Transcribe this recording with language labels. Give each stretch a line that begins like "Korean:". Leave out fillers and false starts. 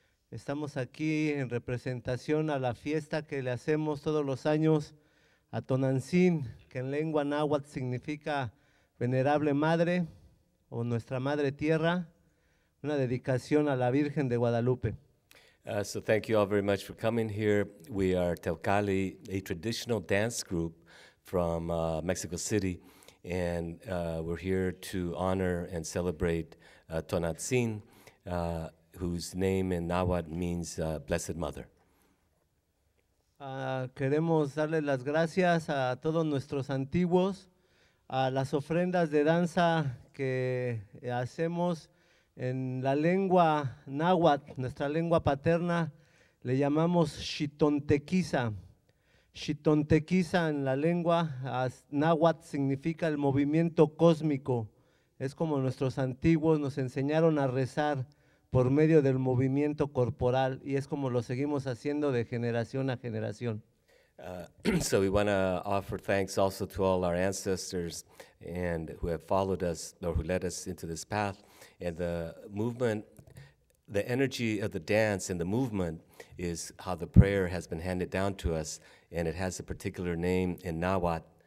Spanish: Estamos aquí en representación a la fiesta que le hacemos todos los años a Tonantzin, que en lengua náhuatl significa Venerable Madre o Nuestra Madre Tierra, una dedicación a la Virgen de Guadalupe.
English: So thank you all very much for coming here. We are Teocali, a traditional dance group from Mexico City, and we're here to honor and celebrate Tonantzin, whose name in Nahuatl means Blessed Mother.
Spanish: Queremos darle las gracias a todos nuestros antiguos, a las ofrendas de danza que hacemos en la lengua náhuatl, nuestra lengua paterna, le llamamos Xitontequiza. Xitontequiza en la lengua náhuatl significa el movimiento cósmico. Es como nuestros antiguos nos enseñaron a rezar por medio del movimiento corporal y es como lo seguimos haciendo de generación a generación.
English: So we want to offer thanks also to all our ancestors and who have followed us or who led us into this path. And the movement, the energy of the dance and the movement is how the prayer has been handed down to us, and it has a particular name in Nahuatl.